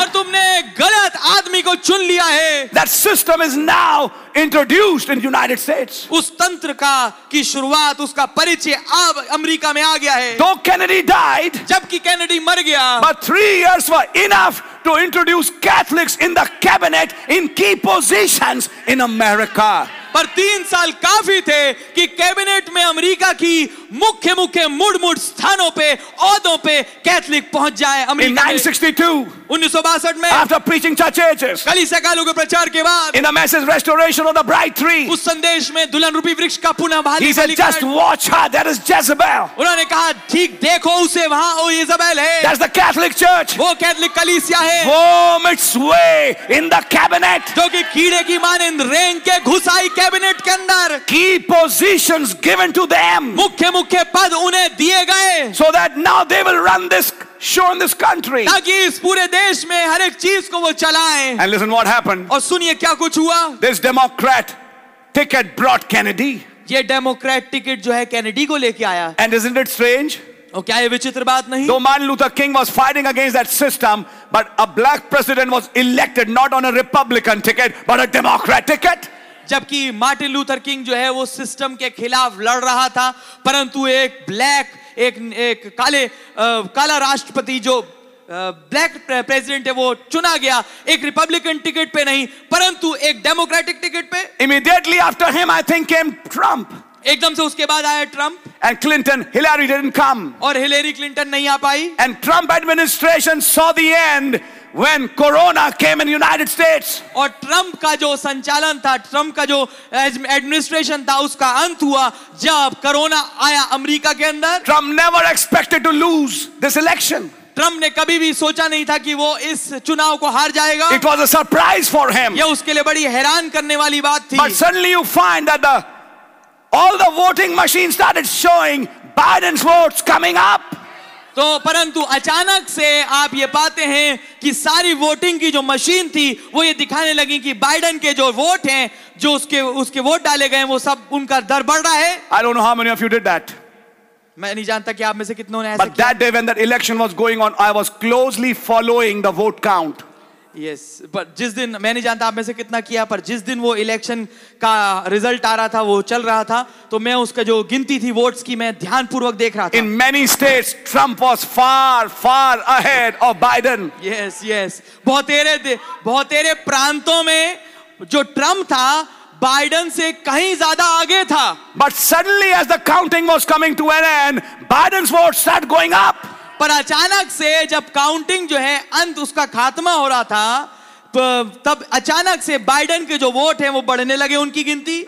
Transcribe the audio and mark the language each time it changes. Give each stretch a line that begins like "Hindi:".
Hindi: और तुमने गलत आदमी को चुन लिया है.
English: That system is now introduced in United States.
Hindi: उस तंत्र का की शुरुआत उसका परिचय अब अमेरिका में आ गया है.
English: Though Kennedy died,
Hindi: जबकि कैनेडी मर गया,
English: but 3 years were enough to introduce Catholics in the cabinet in key positions in America.
Hindi: पर 3 साल काफी थे कि कैबिनेट में अमेरिका की मुख्य मुख्य मुड़ मुड़ स्थानों पे औदों पे कैथलिक पहुंच जाए अमेरिका. 1962 में
English: after preaching churches
Hindi: कलीसिया कालों के प्रचार के बाद
English: in the message restoration of the bride tree
Hindi: उस संदेश में दुल्हन रूपी वृक्ष का पुनः बहाली.
English: He said, just watch her, that is Jezebel.
Hindi: उन्होंने कहा ठीक देखो उसे वहां वो इजेबेल है.
English: That's the Catholic Church.
Hindi: वो कैथलिक कलीसिया है.
English: Worm its way in the cabinet.
Hindi: जो कि कीड़े की मानिंद रेंग के घुसाई कैबिनेट के अंदर.
English: Key positions given to them.
Hindi: मुख्य मुख्य पद उन्हें दिए गए.
English: So that now they will run this show in this country.
Hindi: ताकि इस पूरे देश में हर एक चीज को वो चलाएं.
English: And listen what happened.
Hindi: और सुनिए क्या कुछ हुआ.
English: This Democrat ticket brought Kennedy.
Hindi: ये डेमोक्रेट टिकट जो है कैनेडी को लेके आया.
English: And isn't it strange?
Hindi: और क्या ये विचित्र बात नहीं.
English: Though Martin Luther King was fighting against that system, but a black president was elected not on a Republican ticket, but a Democrat ticket.
Hindi: जबकि मार्टिन लूथर किंग जो है वो सिस्टम के खिलाफ लड़ रहा था परंतु एक ब्लैक एक एक काले काला राष्ट्रपति जो ब्लैक प्रेसिडेंट है वो चुना गया एक रिपब्लिकन टिकट पे नहीं परंतु एक डेमोक्रेटिक टिकट पे.
English: Immediately after him I think came Trump.
Hindi: एकदम से उसके बाद आया Trump
English: and Clinton, Hillary didn't come.
Hindi: और हिलेरी क्लिंटन नहीं आ पाई
English: and Trump administration saw the end when corona came in United States.
Hindi: और ट्रंप का जो संचालन था ट्रंप का जो एडमिनिस्ट्रेशन था उसका अंत हुआ जब कोरोना आया अमेरिका के अंदर.
English: Trump never expected to lose this election.
Hindi: Trump ने कभी भी सोचा नहीं था कि वो इस चुनाव को हार जाएगा.
English: It was a surprise for him.
Hindi: ये उसके लिए बड़ी हैरान करने वाली बात थी.
English: But suddenly you find that all the voting machines started showing Biden's votes coming up.
Hindi: तो परंतु अचानक से आप ये पाते हैं कि सारी वोटिंग की जो मशीन थी वो ये दिखाने लगी कि बाइडेन के जो वोट हैं, जो उसके उसके वोट डाले गए वो सब उनका दर बढ़ रहा है.
English: I don't know how many of you did that.
Hindi: मैं नहीं जानता कि आप में से कितनों ने ऐसा किया.
English: But that day when that election was going on, I was closely following the vote count. Yes, but
Hindi: जिस दिन मैं नहीं जानता आप में से कितना किया, पर जिस दिन वो इलेक्शन का रिजल्ट आ रहा था, वो चल रहा था, तो मैं उसका जो गिनती थी वोट्स की, मैं ध्यानपूर्वक देख रहा था.
English: In many states, Trump was far, far ahead of Biden. Yes, yes.
Hindi: बहुत तेरे प्रांतों में जो ट्रंप था बाइडन से कहीं ज्यादा आगे था.
English: But suddenly as the counting was coming to an end, Biden's vote started going up.
Hindi: पर अचानक से जब काउंटिंग जो है अंत उसका खात्मा हो रहा था, तो तब अचानक से बाइडन के जो वोट हैं वो बढ़ने लगे उनकी गिनती.